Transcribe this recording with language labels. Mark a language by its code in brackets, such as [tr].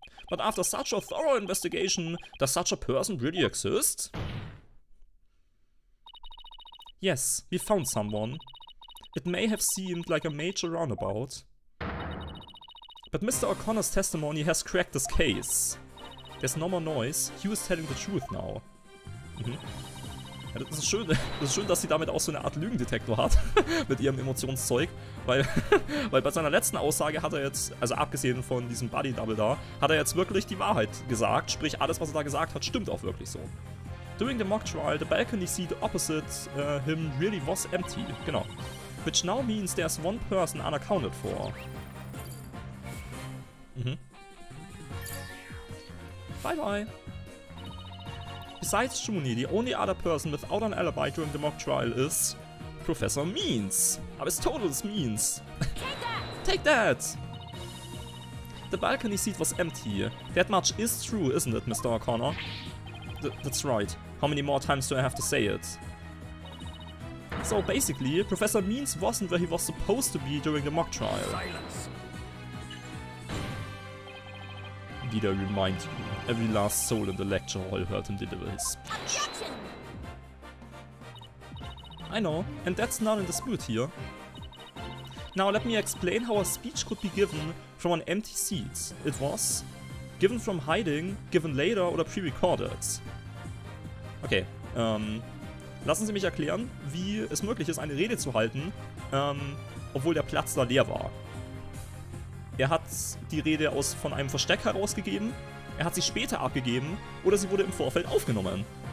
[en] But after such a thorough investigation, does such a person really exist? Yes, we found someone. It may have seemed like a major roundabout. But Mr. O'Connor's testimony has cracked this case. There's no more noise, Hugh is telling the truth now. [de] Mhm. Ja, das ist schön, dass sie damit auch so eine Art Lügendetektor hat, mit ihrem Emotionszeug. Weil bei seiner letzten Aussage hat er jetzt, also abgesehen von diesem Buddy-Double da, hat er jetzt wirklich die Wahrheit gesagt, sprich alles, was er da gesagt hat, stimmt auch wirklich so. [en] During the mock trial, the balcony seat opposite him really was empty. [de] Genau. [en] Which now means there's one person unaccounted for. Mhm. Bye bye. Besides Juni, the only other person without an alibi during the mock trial is Professor Means. [de] Aber es total ist Means. [en] Take that! Take that! The balcony seat was empty. That much is true, isn't it, Mr. O'Connor? That's right. How many more times do I have to say it? So basically, Professor Means wasn't where he was supposed to be during the mock trial. Silence. Vida reminds you, every last soul in the lecture hall heard him deliver his speech. Objection! I know, and that's not in dispute here. Now let me explain how a speech could be given from an empty seat. It was given from hiding, given later oder pre-recorded. [de] Okay, lassen Sie mich erklären, wie es möglich ist, eine Rede zu halten, obwohl der Platz da leer war. Er hat die Rede von einem Versteck herausgegeben, er hat sie später abgegeben oder sie wurde im Vorfeld aufgenommen.